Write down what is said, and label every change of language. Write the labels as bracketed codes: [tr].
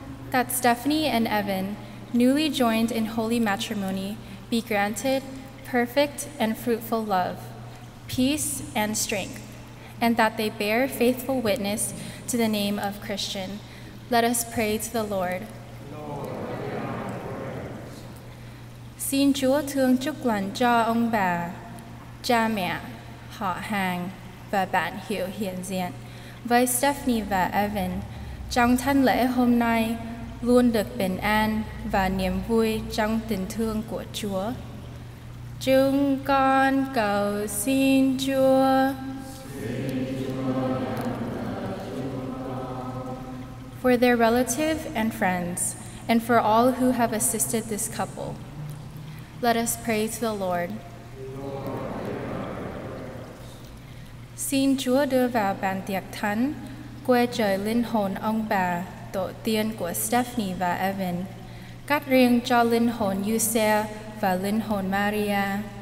[en] That Stephanie and Evan, newly joined in holy matrimony, be granted perfect and fruitful love, peace and strength, and that they bear faithful witness to the name of Christian. Let us pray to the Lord. [vi] Xin Chúa thương chúc lành cho ông bà, cha mẹ, họ hàng và bạn hữu hiện diện, với Stephanie và Evan, trong thánh lễ hôm nay, luôn được bình an và niềm vui trong tình thương của Chúa. Chúng con cầu xin Chúa. [en] For their relative and friends, and for all who have assisted this couple, let us pray to the Lord. [vi] Xin Chúa đưa vào bàn tiệc thánh quê trời linh hồn ông bà, tổ tiên của Stephanie và Evan, cắt riêng cho linh hồn Yusea và linh hồn Maria.